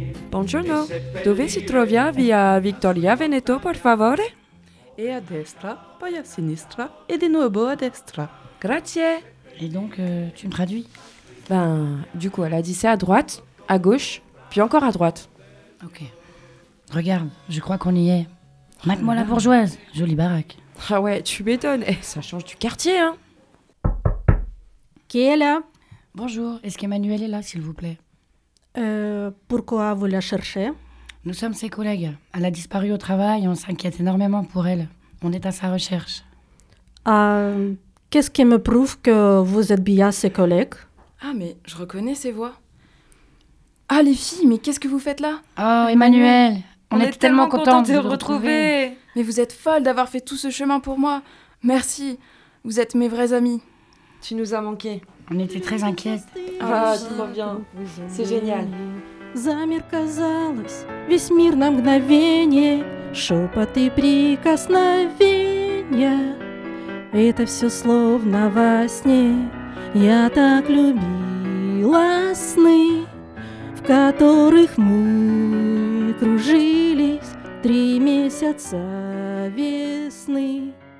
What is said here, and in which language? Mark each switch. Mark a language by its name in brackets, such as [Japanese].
[Italian] Buongiorno, dove si trovia via Vittoria Veneto, per favore? E a destra, poi a sinistra, e di nuovo a destra. Grazie. [French] Et donc, tu me traduis? Ben, du coup, elle a dit c'est à droite, à gauche, puis encore à droite. Ok. Regarde, je crois qu'on y est. Mate-moi la bourgeoise, jolie baraque. Ah ouais, tu m'étonnes. Eh, ça change du quartier, hein. Qui est là? Bonjour, est-ce qu'Emmanuel est là, s'il vous plaît? Pourquoi vous la cherchez? Nous sommes ses collègues. Elle a disparu au travail, on s'inquiète énormément pour elle. On est à sa recherche. Qu'est-ce qui me prouve que vous êtes bien ses collègues? Ah, mais je reconnais ses voix. Ah, les filles, mais qu'est-ce que vous faites là? Oh, Emmanuel, on est tellement contentes de vous retrouver. Mais vous êtes folles d'avoir fait tout ce chemin pour moi. Merci, vous êtes mes vraies amies. Tu nous as manqué. On était très inquiètes. Ah, trop bien, c'est génial. [Russian] Замер, казалось, весь мир на мгновение, шепот и прикосновенья. Это все словно во сне. Я так любила сны, в которых мы кружились три месяца весны.